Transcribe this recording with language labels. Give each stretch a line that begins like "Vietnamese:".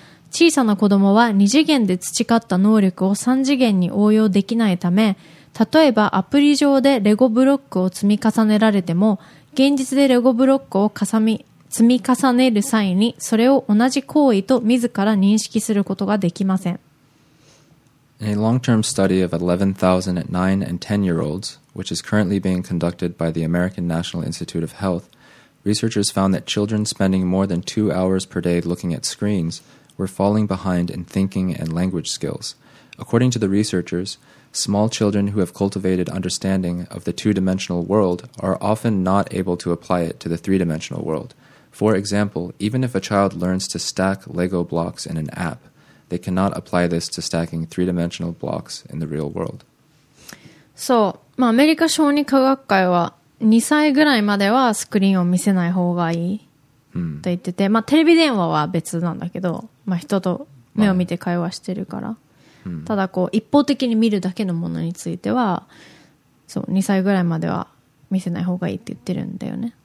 Japanese: 小さな子供は2次元で培った能力を3次元に応用できないため例えばアプリ上でレゴブロックを積み重ねられても現実でレゴブロックを積み重ねる際にそれを同じ行為と自ら認識することができません。
English: In a long-term study of 11,000 9 and 10-year-olds, which is currently being conducted by the American National Institute of Health, researchers found that children spending more than 2 hours per day looking at screens were falling behind in thinking and language skills. According to the researchers,Small children who have cultivated understanding of the two-dimensional world are often not able to apply it to the three-dimensional world. For example, even if a child learns to stack Lego blocks in an app, they cannot apply this to stacking three-dimensional blocks in the real world.
Japanese: そう、まあ、アメリカ小児科学会は2歳ぐらいまではスクリーンを見せない方がいいと言ってて、まあ、テレビ電話は別なんだけど、まあ、人と目を見て会話してるから、ただこう一方的に見るだけのものについてはそう2歳ぐらいまでは見せない方がいいって言ってるんだよね。